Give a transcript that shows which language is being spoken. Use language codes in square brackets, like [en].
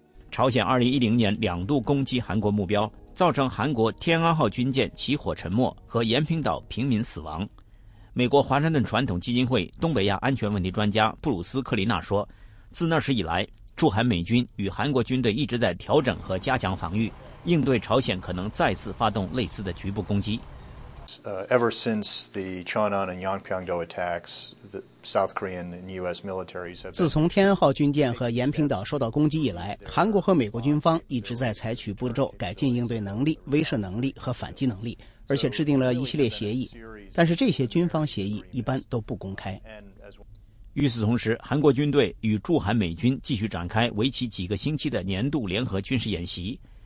[zh] 朝鲜2010年2度攻击韩国目标，造成韩国天安号军舰起火沉没和延坪岛平民死亡。美国华盛顿传统基金会东北亚安全问题专家布鲁斯·克里纳说，自那时以来，驻韩美军与韩国军队一直在调整和加强防御，应对朝鲜可能再次发动类似的局部攻击。 [en] Ever since the Cheonan and Yongpyeongdo attacks, the South Korean and U.S. militaries have. [zh] 自从天安号军舰和延平岛受到攻击以来，韩国和美国军方一直在采取步骤改进应对能力、威慑能力和反击能力，而且制定了一系列协议。但是这些军方协议一般都不公开。与此同时，韩国军队与驻韩美军继续展开为期几个星期的年度联合军事演习。